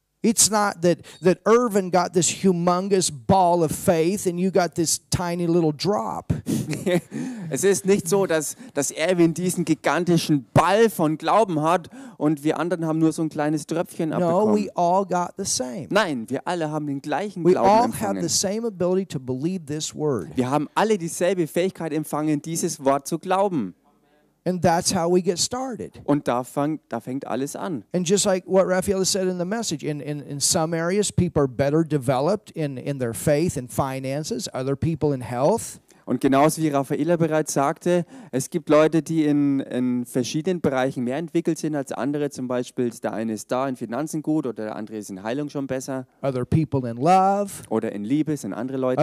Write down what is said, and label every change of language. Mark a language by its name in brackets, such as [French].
[English] It's not that Irvin got this humongous ball of faith and you got this tiny little drop. [German] Es ist nicht so, dass Irvin diesen gigantischen Ball von Glauben hat und wir anderen haben nur so ein kleines Tröpfchen abbekommen. [English] No, we all got the same. [German] Nein, wir alle haben den gleichen [English] we [German] Glauben [English] all [German] empfangen. [English] Have the same ability to believe this word. [German] Wir haben alle dieselbe Fähigkeit empfangen, dieses Wort zu glauben. [English] And that's how we get started. [German] Und da fängt alles an. [English] And just like what Raphael said in the message, in some areas people are better developed in their faith and finances, other people in health. [German] Und genauso wie Raffaella bereits sagte, es gibt Leute, die in verschiedenen Bereichen mehr entwickelt sind als andere. Zum Beispiel der eine ist da in Finanzen gut oder der andere ist in Heilung schon besser. [English] Other people in love. [German] Oder in Liebe sind andere Leute